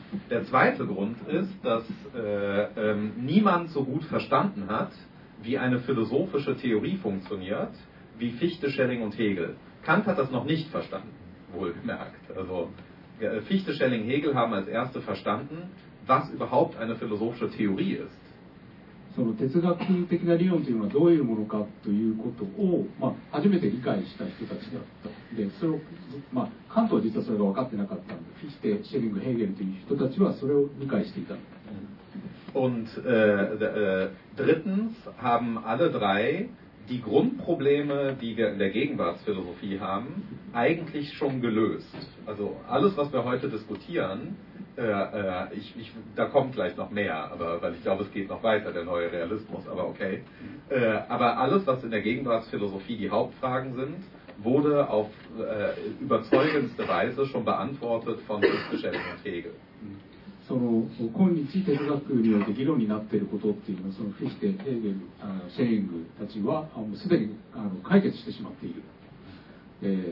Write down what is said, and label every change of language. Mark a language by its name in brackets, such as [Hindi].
[German] Der zweite Grund ist, dass niemand so gut verstanden hat, wie eine philosophische Theorie funktioniert, wie Fichte, Schelling und Hegel. Kant hat das noch nicht verstanden, wohlgemerkt. Also Fichte, Schelling, Hegel haben als erste verstanden, was überhaupt eine philosophische Theorie ist. [Japanese] その哲学的な理論というのはどういうものかということを、まあ、初めて理解した人たちだったでそれを、まあ、カントは実はそれが分かってなかったのでフィヒテ、シェリング、ヘーゲルという人たちはそれを理解していた。 [German] Und drittens haben alle drei die Grundprobleme, die wir in der Gegenwartsphilosophie haben, eigentlich schon gelöst. Also alles, was wir heute diskutieren,da kommt gleich noch mehr, aber, weil ich glaube, es geht noch weiter, der neue Realismus, aber okay. Aber alles, was in der Gegenwartsphilosophie die Hauptfragen sind, wurde auf überzeugendste Weise schon beantwortet von Schelling und Hegel. [Japanese] その今日哲学において議論になっていることっていうのはそのフィヒテ、ヘーゲル、シェリングたちはもうすでに解決してしまっている。